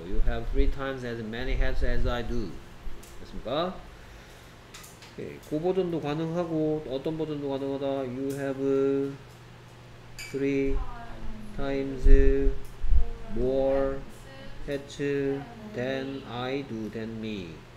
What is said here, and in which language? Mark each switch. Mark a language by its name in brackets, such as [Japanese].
[English] You have three times as many hats as I do. [Korean] 됐습니까? 오케이. 그 버전도 가능하고 어떤 버전도 가능하다. [English] You have three times more hats than I do, than me.